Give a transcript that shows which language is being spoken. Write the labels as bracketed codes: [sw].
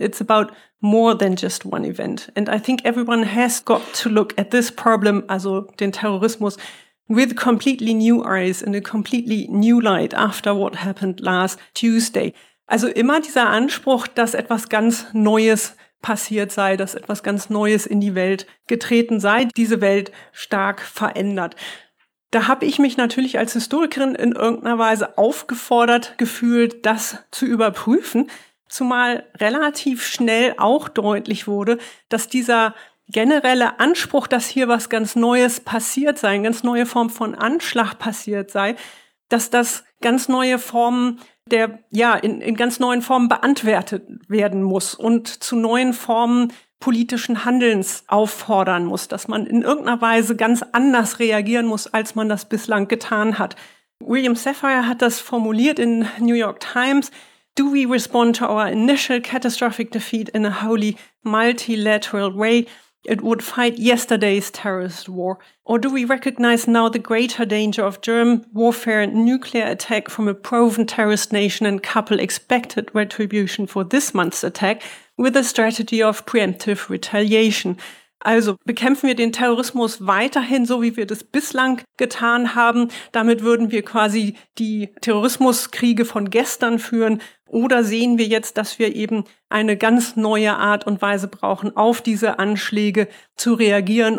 [en] It's about more than just one event. And I think everyone has got to look at this problem, [de] also den Terrorismus, [en] with completely new eyes and a completely new light after what happened last Tuesday. [de] Also immer dieser Anspruch, dass etwas ganz Neues passiert sei, dass etwas ganz Neues in die Welt getreten sei, diese Welt stark verändert. Da habe ich mich natürlich als Historikerin in irgendeiner Weise aufgefordert gefühlt, das zu überprüfen, zumal relativ schnell auch deutlich wurde, dass dieser generelle Anspruch, dass hier was ganz Neues passiert sei, eine ganz neue Form von Anschlag passiert sei, dass das ganz neue Formen der, ja, in ganz neuen Formen beantwortet werden muss und zu neuen Formen politischen Handelns auffordern muss, dass man in irgendeiner Weise ganz anders reagieren muss, als man das bislang getan hat. William Safire hat das formuliert in New York Times. [en] Do we respond to our initial catastrophic defeat in a wholly multilateral way? It would fight yesterday's terrorist war. Or do we recognize now the greater danger of germ warfare and nuclear attack from a proven terrorist nation and couple expected retribution for this month's attack with a strategy of preemptive retaliation? [de] Also bekämpfen wir den Terrorismus weiterhin so, wie wir das bislang getan haben? Damit würden wir quasi die Terrorismuskriege von gestern führen. Oder sehen wir jetzt, dass wir eben eine ganz neue Art und Weise brauchen, auf diese Anschläge zu reagieren?